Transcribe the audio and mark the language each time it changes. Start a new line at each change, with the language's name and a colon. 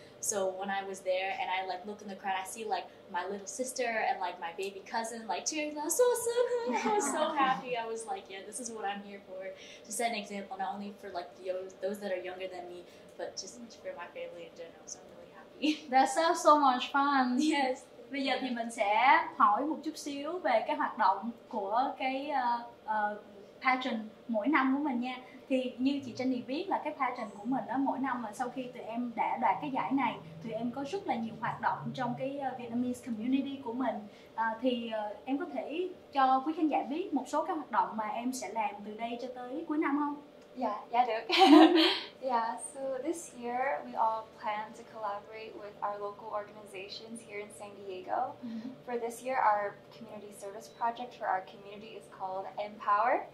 English: So when I was there and I like look in the crowd, I see like my little sister and like my baby cousin like cheering, that's so awesome. I was so happy. I was like, yeah, this is what I'm here for. To set an example, not only for like those that are younger than me, but just for my family in general. So I'm really happy. That sounds so much fun. Yes.
Vietnamese: Bây giờ thì mình sẽ hỏi một chút xíu về cái hoạt động của cái pageant mỗi năm của mình nha. Thì như chị Jenny biết là cái pageant của mình đó, mỗi năm mà sau khi tụi em đã đoạt cái giải này, tụi em có rất là nhiều hoạt động trong cái
English: Vietnamese community
Vietnamese: của mình. Thì em có thể cho quý khán giả biết một số các hoạt động mà em sẽ làm từ đây cho tới cuối năm không? Yeah, được.
English: Yeah, so this year we all plan to collaborate with our local organizations here in San Diego. Mm-hmm. For this year, our community service project for our community is called Empower.